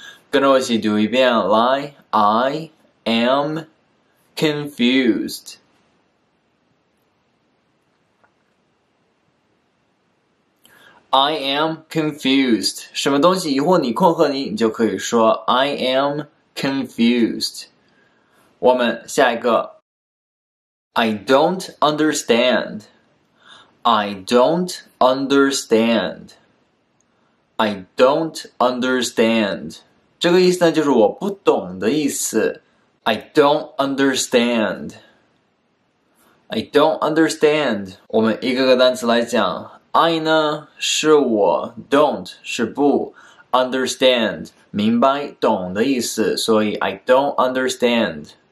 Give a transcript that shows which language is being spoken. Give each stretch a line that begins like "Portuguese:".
Chinese: 跟着我一起读一遍来
English: I am confused. I am confused.
Chinese: 什么东西疑惑你、困惑你，你就可以说
English: I am confused.
Chinese: 我们下一个
English: I don't understand. I don't understand. I don't understand.
Chinese: 这个意思呢，就是我不懂的意思。
English: I don't understand. I don't understand.
Chinese: 我们一个个单词来讲。 I 呢是我 ，don't 是不 ，understand 明白懂的意思。所以
English: I don't understand.